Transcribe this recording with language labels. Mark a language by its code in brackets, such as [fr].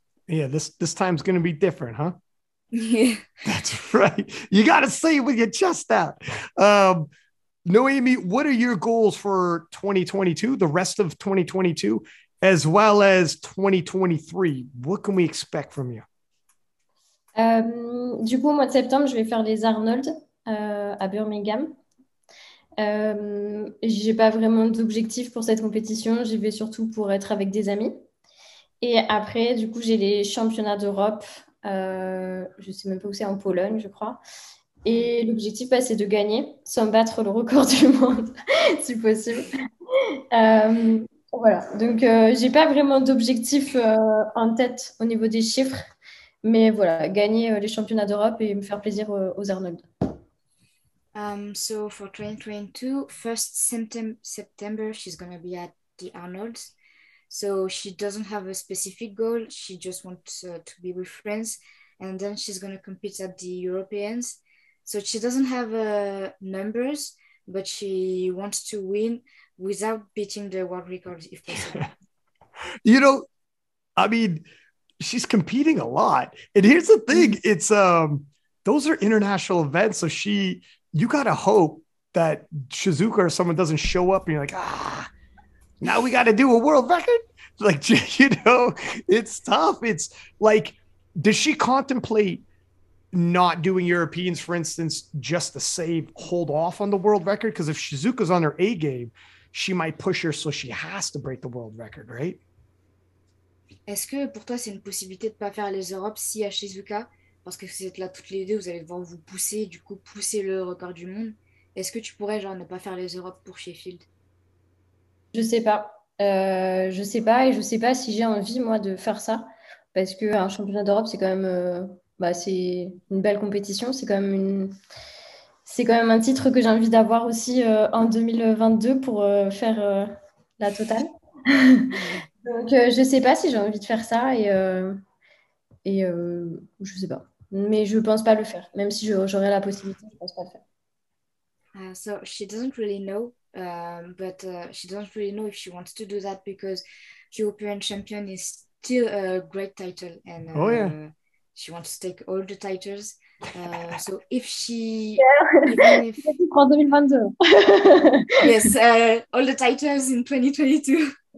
[en] yeah, this time's gonna be different, huh? Yeah. That's right. You gotta say it with your chest out. No, Amy, what are your goals for 2022, the rest of 2022, as well as 2023? What can we expect from you? [fr] Du coup, au mois de septembre, je vais faire les Arnold à Birmingham. J'ai pas vraiment d'objectif pour cette compétition. J'y vais surtout pour être avec des amis. Et après, du coup, j'ai les championnats d'Europe. Je sais même pas où c'est, en Pologne, je crois. Et l'objectif, bah, c'est de gagner sans battre le record du monde, si possible. Voilà. Donc, j'ai pas vraiment d'objectif en tête au niveau des chiffres. Mais voilà, gagner les championnats d'Europe et me faire plaisir aux Arnold. [en] So for 2022, first September, she's gonna be at the Arnold's. So she doesn't have a specific goal. She just wants to be with friends, and then she's gonna compete at the Europeans. So she doesn't have numbers, but she wants to win without beating the world record if possible. You know, I mean, she's competing a lot. And here's the thing, it's those are international events, so she you gotta hope that Shizuka or someone doesn't show up and you're like, ah, now we gotta do a world record. Like, you know, it's tough. It's like, does she contemplate not doing Europeans, for instance, just to save hold off on the world record? Because if Shizuka's on her A game, she might push her, so she has to break the world record, right? [fr] Est-ce que pour toi c'est une possibilité de pas faire les Europes si à Shizuka, parce que si vous êtes là toutes les deux, vous allez devoir vous pousser, du coup pousser le record du monde. Est-ce que tu pourrais genre ne pas faire les Europes pour Sheffield? Je sais pas. Je sais pas et je sais pas si j'ai envie moi de faire ça, parce que un championnat d'Europe c'est quand même c'est une belle compétition, c'est quand même un titre que j'ai envie d'avoir aussi en 2022 pour faire la totale. Donc je sais pas si j'ai envie de faire ça et je sais pas, mais je pense pas le faire, même si j'aurais la possibilité, je pense pas le faire. [en] So she doesn't really know, but she doesn't really know if she wants to do that because European champion is still a great title and she wants to take all the titles. So if she even if yes, all the titles in 2022.